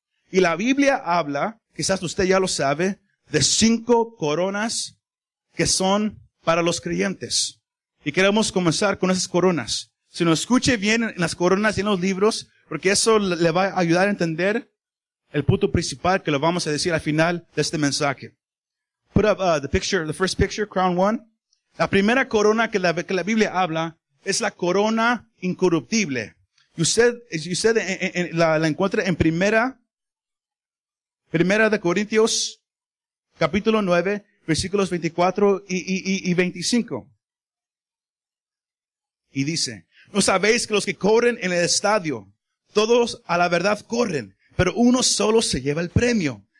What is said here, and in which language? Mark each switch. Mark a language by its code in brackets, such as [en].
[es] Y la Biblia habla, quizás usted ya lo sabe, de cinco coronas que son para los creyentes. Y queremos comenzar con esas coronas. Si nos escuche bien en las coronas y en los libros, porque eso le va a ayudar a entender el punto principal que lo vamos a decir al final de este mensaje. [en] Put up the picture, the first picture, crown one. [es] La primera corona que la Biblia habla es la corona incorruptible. Y usted la encuentra en primera de Corintios, capítulo 9, versículos 24 y 25. Y dice, ¿no sabéis que los que corren en el estadio, todos a la verdad corren, pero uno solo se lleva el premio?